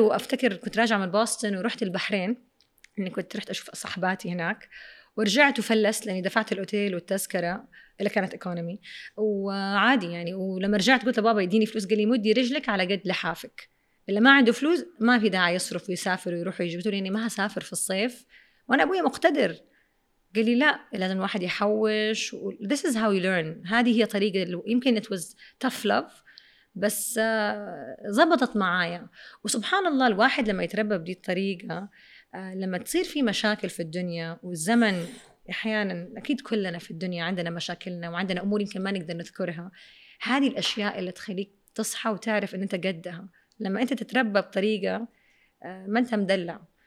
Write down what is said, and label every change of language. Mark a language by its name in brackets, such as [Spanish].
[Arabic] وأفتكر كنت راجع من بوسطن ورحت البحرين، إني كنت رحت أشوف صحباتي هناك ورجعت وفلست لأني دفعت الأوتيل والتذكرة اللي كانت إيكونومي وعادي يعني. ولما رجعت قلت لبابا يديني فلوس، قال لي مدي رجلك على قد لحافك، اللي ما عنده فلوس ما في داعي يصرف ويسافر ويروح ويجي. قلت له إني ما هسافر في الصيف وأنا أبوي مقتدر، قال لي لا لازم الواحد يحوش. [English] This is how you learn، [Arabic] هذه هي طريقة. يمكن [English] it was tough love [Arabic] بس زبطت معايا. وسبحان الله الواحد لما يتربى بدي الطريقة لما تصير في مشاكل في الدنيا والزمن احيانا اكيد كلنا في الدنيا عندنا مشاكلنا وعندنا امور يمكن ما نقدر نذكرها، هذه الاشياء اللي تخليك تصحى وتعرف ان انت قدها لما انت تتربى بطريقه ما انت مدلع.